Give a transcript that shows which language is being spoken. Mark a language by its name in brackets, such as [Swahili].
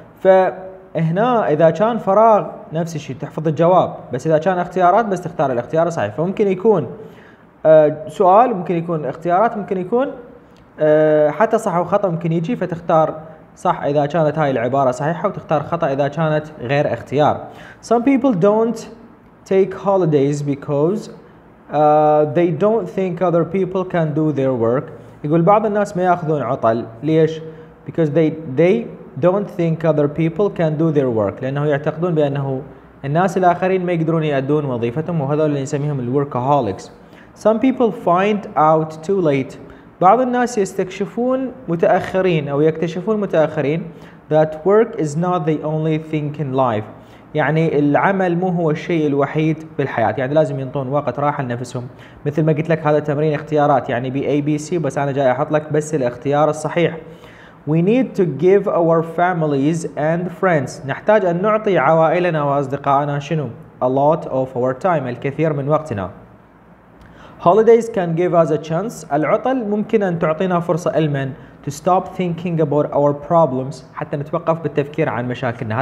[Arabic] فهنا إذا كان فراغ نفس الشيء تحفظ الجواب، بس إذا كان اختيارات بس تختار الاختيار الصحيح. فممكن يكون سؤال، ممكن يكون اختيارات، ممكن يكون حتى صح وخطأ ممكن يجي، فتختار صح إذا كانت هاي العبارة صحيحة، وتختار خطأ إذا كانت غير اختيار. [English] Some people don't take holidays because they don't think other people can do their work. [Arabic] يقول بعض الناس ما يأخذون عطل، ليش؟ [English] Because they don't think other people can do their work، [Arabic] لأنه يعتقدون بأنه الناس الآخرين ما يقدرون يؤدون وظيفتهم، وهذا اللي نسميهم الworkaholics. [English] Some people find out too late. [Arabic] بعض الناس يستكشفون متأخرين أو يكتشفون متأخرين [English] that work is not the only thing in life. [Arabic] يعني العمل مو هو الشيء الوحيد بالحياة، يعني لازم ينطون وقت راحة لنفسهم. مثل ما قلت لك هذا تمرين اختيارات، يعني بي اي بي سي، بس أنا جاي أحط لك بس الاختيار الصحيح. [English] We need to give our families and friends. [Arabic] نحتاج أن نعطي عوائلنا وأصدقائنا شنو؟ [English] A lot of our time، [Arabic] الكثير من وقتنا. [English] Holidays can give us a chance. [Arabic] العطل ممكن أن تعطينا فرصة لمن؟ [English] To stop thinking about our problems، [Arabic] حتى نتوقف بالتفكير عن مشاكلنا.